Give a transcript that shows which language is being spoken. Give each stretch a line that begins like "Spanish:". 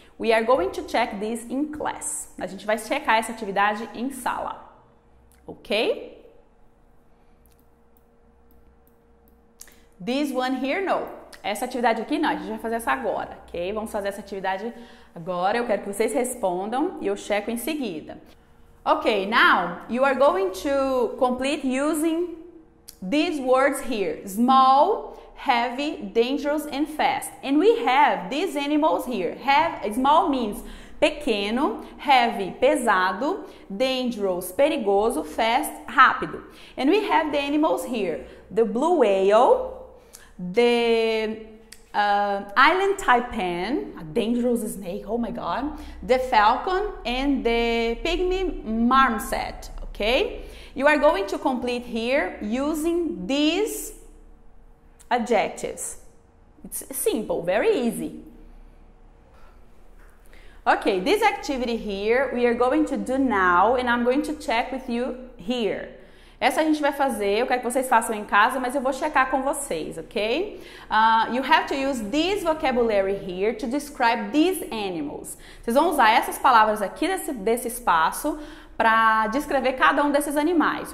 English: We are going to check this in class.
Portuguese: A gente vai checar essa atividade em sala. Ok?
English: This one here, no.
Portuguese: Essa atividade aqui, não. A gente vai fazer essa agora, ok? Vamos fazer essa atividade agora. Eu quero que vocês respondam e eu checo em seguida.
English: Ok, now you are going to complete using these words here. Small, heavy, dangerous, and fast. And we have these animals here. Small means pequeno, heavy, pesado, dangerous, perigoso, fast, rápido. And we have the animals here. The blue whale, the island taipan, a dangerous snake, oh my God, the falcon, and the pygmy marmoset, okay? You are going to complete here using these adjectives. It's simple, very easy. Okay, this activity here we are going to do now and I'm going to check with you here.
Portuguese: Essa a gente vai fazer, eu quero que vocês façam em casa, mas eu vou checar com vocês, ok?
English: You have to use this vocabulary here to describe these animals.
Portuguese: Vocês vão usar essas palavras aqui desse espaço para descrever cada um desses animais.